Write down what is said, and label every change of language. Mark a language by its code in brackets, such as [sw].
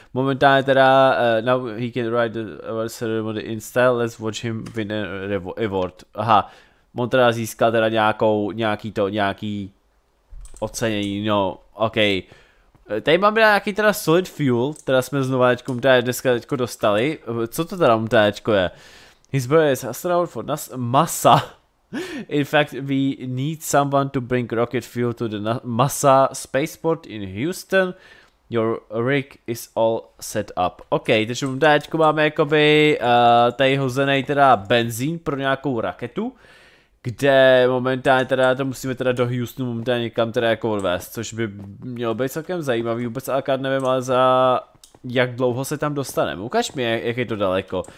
[cs] Momentálně teda, [en] now he can ride the ceremony in style, let's watch him win an award. [cs] Aha, on teda získal teda nějaký ocenění, no, OK. Tady máme nějaký teda solid fuel, teda jsme znovu dneska dostali. Co to teda MTAčko je? [en] His brother is astronaut for NASA. In fact, we need someone to bring rocket fuel to the NASA spaceport in Houston. Your rig is all set up. [cs] OK, takže MTAčko máme jakoby tady hozený teda benzín pro nějakou raketu. Kde momentálně teda to musíme teda do Houstonu momentálně někam teda jako odvést, což by mělo být celkem zajímavý, vůbec alkát nevím, ale za jak dlouho se tam dostaneme, ukaž mi, jak je to daleko.